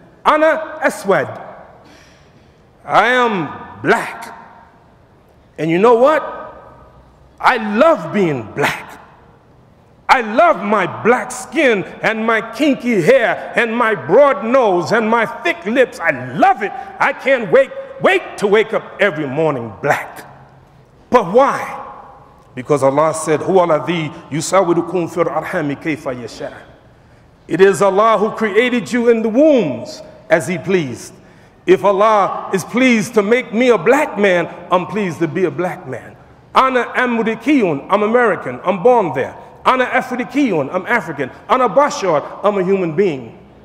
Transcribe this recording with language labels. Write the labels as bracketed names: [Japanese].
[Arabic] Ana Aswad. [English] I am black. And you know what? I love being black. I love my black skin and my kinky hair and my broad nose and my thick lips. I love it. I can't wait to wake up every morning black. But why? Because Allah said, [Arabic] هُوَ الَّذِي يُسَوِّرُكُمْ فِي الْأَرْحَامِ كَيْفَ يَشَاءُ. [English] It is Allah who created you in the wombs as He pleased. If Allah is pleased to make me a black man, I'm pleased to be a black man. [Arabic] أَنَا أَمْرِكِيٌ. [English] I'm American, I'm born there. [Arabic] أَنَا أَفْرِكِيٌ. [English] I'm African. [Arabic] أَنَا بَشَرٌ. [English] I'm a human being.